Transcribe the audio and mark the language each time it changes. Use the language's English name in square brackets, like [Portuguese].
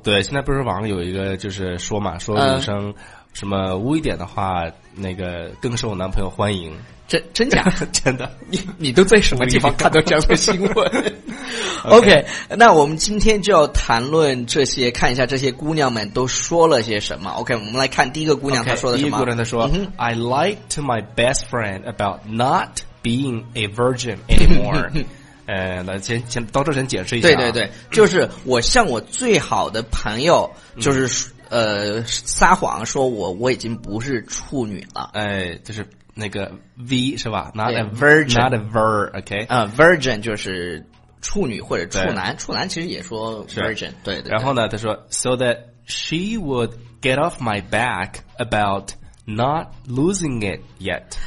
[Chinese] 对，现在不是网上有一个就是说嘛，说女生什么污一点的话，那个更受男朋友欢迎。真假？真的？你都在什么地方看到这样的新闻？ [English] okay, [Chinese] 那我们今天就要谈论这些，看一下这些姑娘们都说了些什么。 OK， 我们来看第一个姑娘 [English] okay, [Chinese] 她说的什么？第一个姑娘她说、嗯、： [English] “I lied to my best friend about not being a virgin anymore 。” [Chinese] 那先到这先解释一下、啊。对对对，就是我向我最好的朋友，就是、嗯、撒谎说我已经不是处女了。哎，就是那个 V 是吧 ？ [English] Not a virgin，not a vir，OK、okay? [Chinese] 啊、，virgin 就是处女或者处男，处男其实也说 virgin， 对, 对对。然后呢，他说 ， [English] so that she would get off my back about not losing it yet。